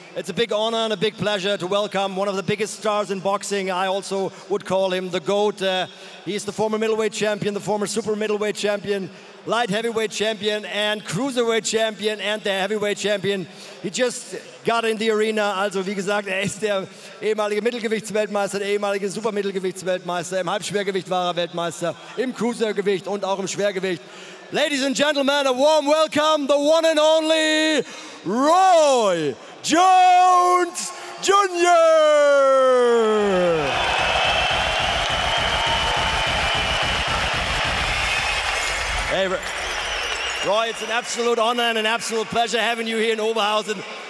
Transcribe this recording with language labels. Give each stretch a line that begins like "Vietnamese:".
English: It's a big honor and a big pleasure to welcome one of the biggest stars in boxing. I also would call him the GOAT. He is the former middleweight champion, the former super middleweight champion, light heavyweight champion, and cruiserweight champion, and the heavyweight champion. He just got in the arena.
German: Also, wie gesagt, ist der ehemalige Mittelgewichtsweltmeister, der ehemalige Supermittelgewichtsweltmeister, im Halbschwergewicht war er Weltmeister, im Cruisergewicht und auch im Schwergewicht.
English: Ladies and gentlemen, a warm welcome, the one and only Roy Jones Jr. Hey, Roy, it's an absolute honor and an absolute pleasure having you here in Oberhausen.